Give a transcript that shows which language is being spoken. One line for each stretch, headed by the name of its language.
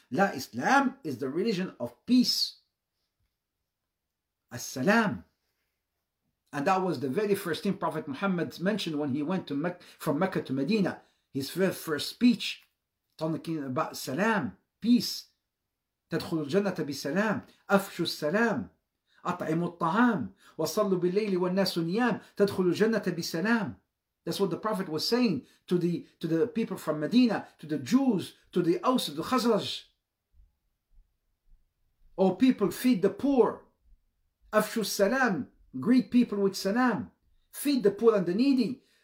English: La, Islam is the religion of peace. As-salam. And that was the very first thing Prophet Muhammad mentioned when he went to from Mecca to Medina. His first speech, talking about salam, peace.
Arabic: تدخل الجنة بسلام. أفشو السلام. أطعموا الطعام وصلوا بالليل والناس نيام تدخلوا الجنة بسلام.
English: That's what the Prophet was saying to the people from Medina, to the Jews, to the Aus, the Khazraj. Oh people, feed the poor.
Arabic: أفشوا السلام.
English: Greet people with salam. Feed the poor and the needy.